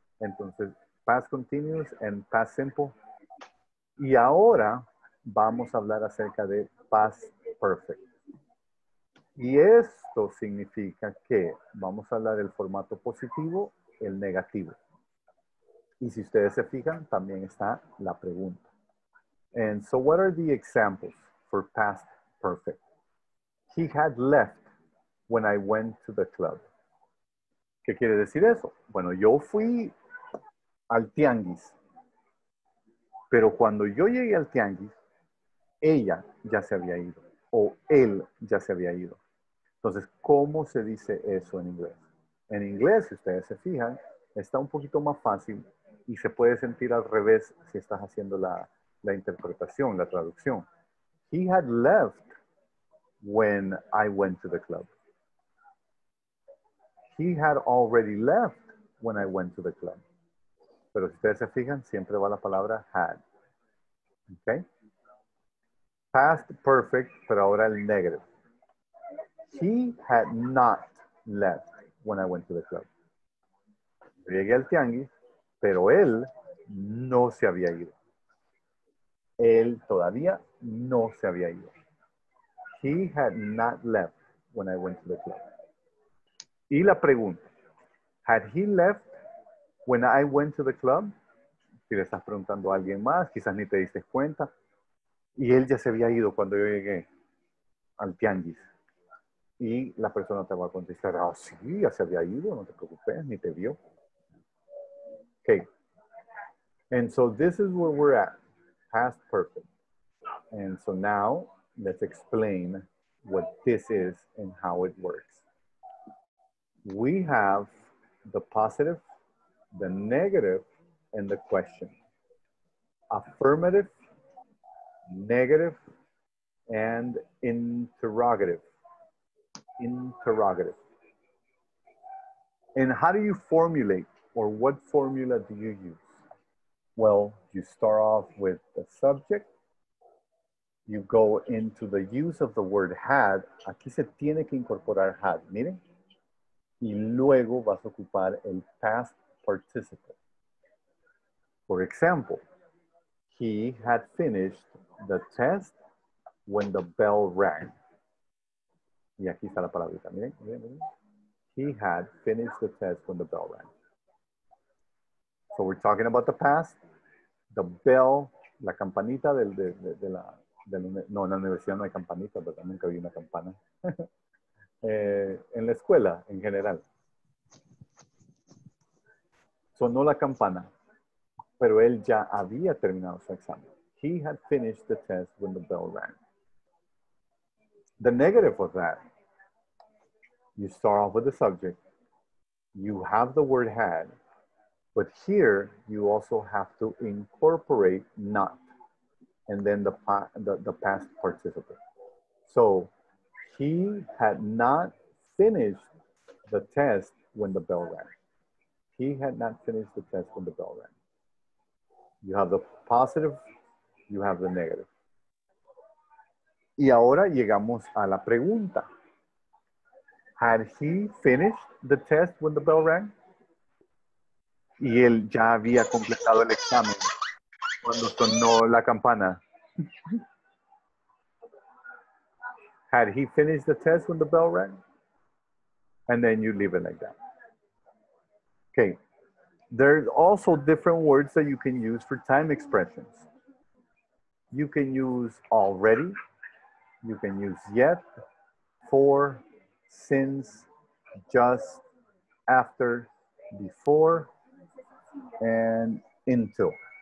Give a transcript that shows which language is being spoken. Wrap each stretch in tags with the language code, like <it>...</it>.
<es>Entonces,</es> <en>past continuous and past simple.</en> <es>Y ahora vamos a hablar acerca de past perfect. Y esto significa que vamos a hablar del formato positivo, el negativo. Y si ustedes se fijan, también está la pregunta.</es> <en>And so what are the examples for past perfect? He had left when I went to the club.</en> <es>¿Qué quiere decir eso? Bueno, yo fui al tianguis. Pero cuando yo llegué al tianguis, ella ya se había ido. O él ya se había ido. Entonces, ¿cómo se dice eso en inglés? En inglés, si ustedes se fijan, está un poquito más fácil y se puede sentir al revés si estás haciendo la interpretación, la traducción.</es> <en>He had left when I went to the club. He had already left when I went to the club.</en> <es>Pero si ustedes se fijan, siempre va la palabra had. Okay?</es> <en>Past perfect,</en> <es>pero ahora el</es> <en>negative. He had not left when I went to the club.</en> <es>Llegué al tianguis, pero él no se había ido. Él todavía no se había ido.</es> <en>He had not left when I went to the club.</en> <es>Y la pregunta,</es> <en>had he left when I went to the club?</en> <es>Si le estás preguntando a alguien más, quizás ni te diste cuenta. Y él ya se había ido cuando yo llegué al tianguis. Y la persona te va a contestar, oh, sí, ya se había ido, no te preocupes, ni te vio. Okay.</es> <en>And so this is where we're at, past perfect. And so now let's explain what this is and how it works. We have the positive, the negative, and the question. Affirmative, negative, and interrogative. Interrogative. And how do you formulate, or what formula do you use? Well, you start off with the subject. You go into the use of the word had.</en> <es>Aquí se tiene que incorporar had, miren. Y luego vas a ocupar el past participle.</es> <en>For example, he had finished the test when the bell rang.</en> <es>Y aquí está la palabrita, miren, miren, miren.</es> <en>He had finished the test when the bell rang. So we're talking about the past. The bell,</en> <es>la campanita en la universidad no hay campanita, ¿verdad? Nunca vi una campana. en la escuela, en general. Sonó la campana, pero él ya había terminado su examen.</es> <en>He had finished the test when the bell rang. The negative of that, you start off with the subject, you have the word had, but here you also have to incorporate not. And then the past participle. So he had not finished the test when the bell rang. He had not finished the test when the bell rang. You have the positive, you have the negative.</en> <es>Y ahora llegamos a la pregunta.</es> <en>Had he finished the test when the bell rang?</en> <es>Y él ya había completado el examen cuando sonó la campana.</es> <en>Had he finished the test when the bell rang? And then you leave it like that. Okay. There's also different words that you can use for time expressions. You can use already. You can use yet, for, since, just, after, before, and until.</en>